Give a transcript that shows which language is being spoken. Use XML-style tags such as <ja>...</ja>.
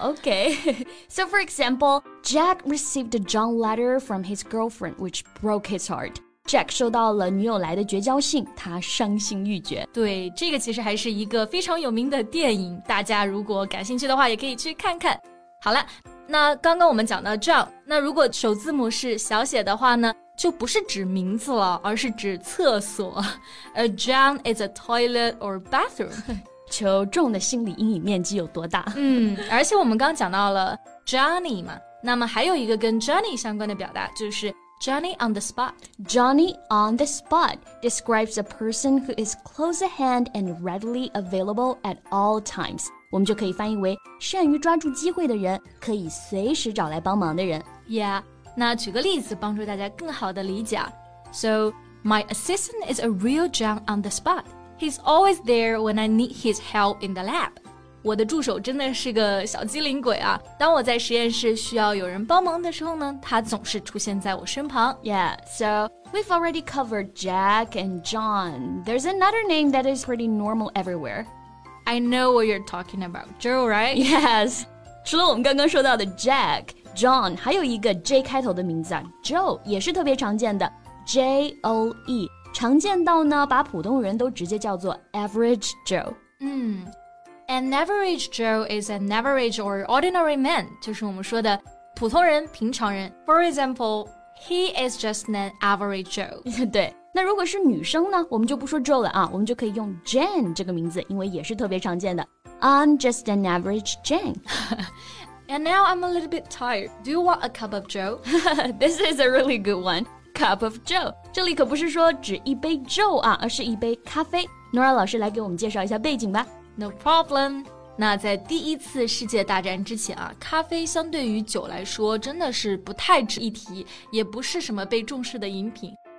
<en>Oh, okay. So for example, Jack received a John letter from his girlfriend, which broke his heart.</en> <zh>Jack 收到了女友来的绝交信，他伤心欲绝。对，这个其实还是一个非常有名的电影，大家如果感兴趣的话也可以去看看。好了，那刚刚我们讲到 John， 那如果首字母是小写的话呢，就不是指名字了，而是指厕所。</zh> <en>A John is a toilet or bathroom.</en> <zh>求众的心理阴影面积有多大。而且我们刚讲到了 Johnny 嘛，那么还有一个跟 Johnny 相关的表达就是</zh> <en>Johnny on the spot. Johnny on the spot describes a person who is close at hand and readily available at all times.</en> <zh>我们就可以翻译为善于抓住机会的人，可以随时找来帮忙的人。</zh> <en>Yeah,</en> <zh>那举个例子帮助大家更好的理解。</zh> <en>So, my assistant is a real John on the spot. He's always there when I need his help in the lab.</en> <zh>我的助手真的是个小机灵鬼啊。当我在实验室需要有人帮忙的时候呢，他总是出现在我身旁。</zh> <en>Yeah, so we've already covered Jack and John. There's another name that is pretty normal everywhere. I know what you're talking about. Joe, right? Yes.</en> <zh>除了我们刚刚说到的 Jack, John, 还有一个 J 开头的名字啊。 Joe 也是特别常见的 J-O-E。常见到呢把普通人都直接叫做 Average Joe。</zh> <en>An average Joe is an average or ordinary man,</en> <zh>就是我们说的普通人、平常人。</zh> <en>For example, he is just an average Joe.</en> <zh>对，那如果是女生呢，我们就不说 Joe 了啊，我们就可以用 Jane 这个名字，因为也是特别常见的。</zh> <en>I'm just an average Jane. And now I'm a little bit tired. Do you want a cup of Joe? This is a really good one. Cup of Joe.</en> <zh>这里可不是说只一杯 Joe 啊，而是一杯咖啡。 Nora 老师来给我们介绍一下背景吧。</zh> <en>No problem.</en> <zh>那在第一次世界大战之前啊，咖啡相对于酒来说真的是不太值一提，也不是什么被重视的饮品。</zh>